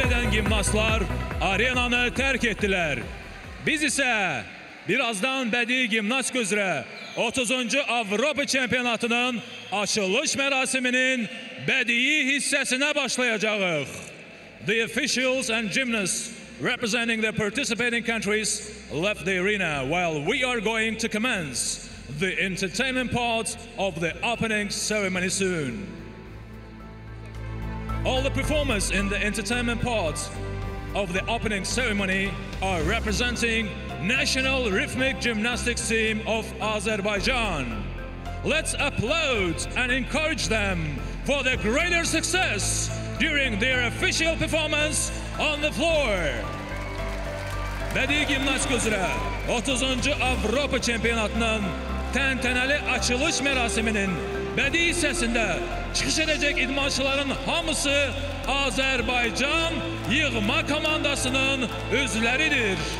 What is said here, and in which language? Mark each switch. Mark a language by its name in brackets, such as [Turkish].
[Azerbaijani] Gimnastlar arenanı tərk etdilər. Biz isə birazdan bədii gimnastika üzrə 30-cu Avropa çempionatının açılış mərasiminin bədii hissəsinə başlayacağıq. [English] The officials and gymnasts representing the participating countries left the arena while we are going to commence the entertainment part of the opening ceremony soon. All the performers in the entertainment part of the opening ceremony are representing National Rhythmic Gymnastics Team of Azerbaijan. Let's applaud and encourage them for their greater success during their official performance on the floor. [Azerbaijani] Bədii gimnastika üzrə 30-cu Avropa çempionatının təntənəli açılış mərasiminin bədii hissəsində çıxış edəcək idmançıların hamısı Azerbaycan yığma komandasının üzvləridir.